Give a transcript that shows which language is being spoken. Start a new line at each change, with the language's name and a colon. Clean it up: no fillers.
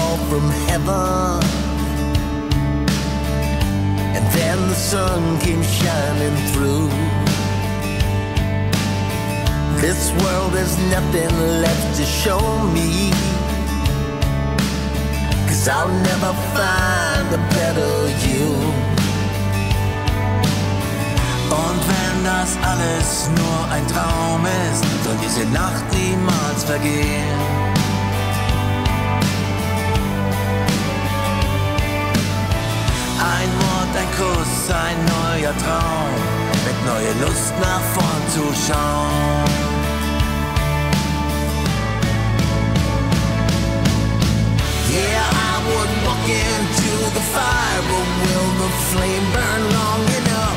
English: From heaven, and then the sun came shining through. This world has nothing left to show me, 'cause I'll never find a better you.
German: Und wenn das alles nur ein Traum ist, soll diese Nacht niemals vergehen. Ein Wort, ein Kuss, ein neuer Traum, mit neuer Lust nach vorn zu schauen.
English: Yeah, I would walk into the fire, but will the flame burn long enough?